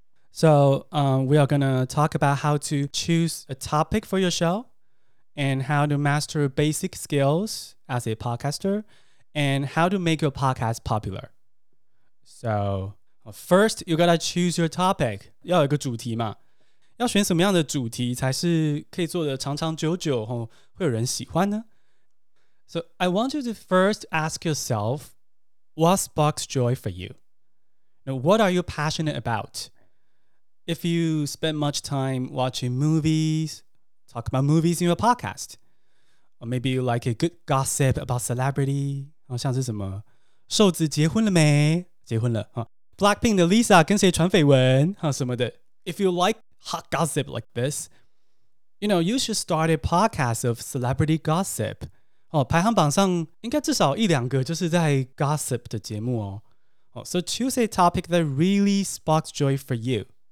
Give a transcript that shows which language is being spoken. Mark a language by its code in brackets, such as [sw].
[en] So we are going to talk about how to choose a topic for your show and how to master basic skills as a podcaster and how to make your podcast popular. So first, you got to choose your topic. [zh] 要有一个主题嘛。要选什么样的主题才是可以做的长长久久哦，会有人喜欢呢？ [en] So I want you to first ask yourselfWhat sparks joy for you? Now, what are you passionate about? If you spend much time watching movies, talk about movies in your podcast. Or maybe you like a good gossip about celebrity. [zh] 好像是什么瘦子结婚了没？结婚了。 Blackpink 的 Lisa 跟谁传绯闻？什么的。 [en] If you like hot gossip like this, you know, you should start a podcast of celebrity gossip. [zh] 哦、排行榜上应该至少一两个就是在 gossip 的节目 [en] So choose a topic that really sparks joy for you.